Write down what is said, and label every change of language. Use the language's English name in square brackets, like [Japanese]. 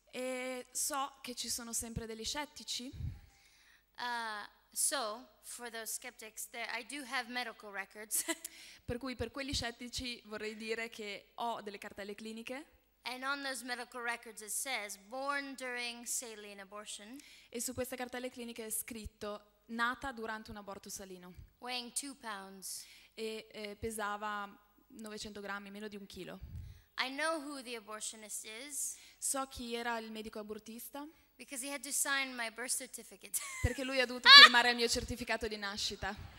[Italian] E so che ci sono sempre degli scettici. [English] So for those skeptics, there I do have medical records. [Italian] Per cui per quelli scettici vorrei dire che ho delle cartelle cliniche. [English] And on those medical records it says born during saline abortion. [Italian] E su queste cartelle cliniche è scritto nata durante un aborto salino. [English] Weighing 2 pounds. [Italian] E pesava 900 grammi, meno di un chilo. [English] I know who the abortionist is. [Italian] So chi era il medico abortista. [English] Because he had to sign my birth certificate. [Italian] Perché lui ha dovuto firmare il mio certificato di nascita.